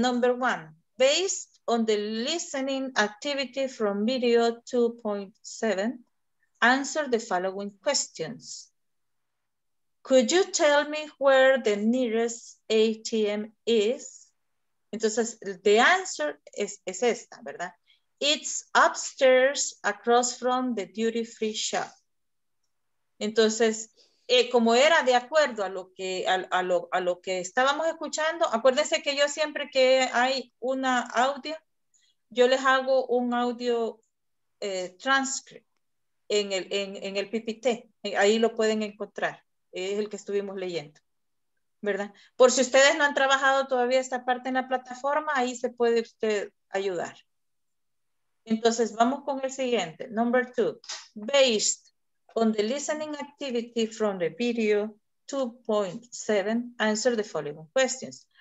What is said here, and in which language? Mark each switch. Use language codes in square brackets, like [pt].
[en] Number one, based on the listening activity from video 2.7, answer the following questions. Could you tell me where the nearest ATM is? Entonces, the answer [es] es esta, ¿verdad? [en] It's upstairs across from the duty free shop. [es] Entonces, como era de acuerdo a lo que estábamos escuchando, acuérdense que yo siempre que hay una audio, yo les hago un audio transcript en el PPT. Ahí lo pueden encontrar. Es el que estuvimos leyendo, ¿verdad? Por si ustedes no han trabajado todavía esta parte en la plataforma, ahí se puede usted ayudar. Entonces, vamos con el siguiente. [en] Number two. Based on the listening activity from the video 2.7, answer the following questions.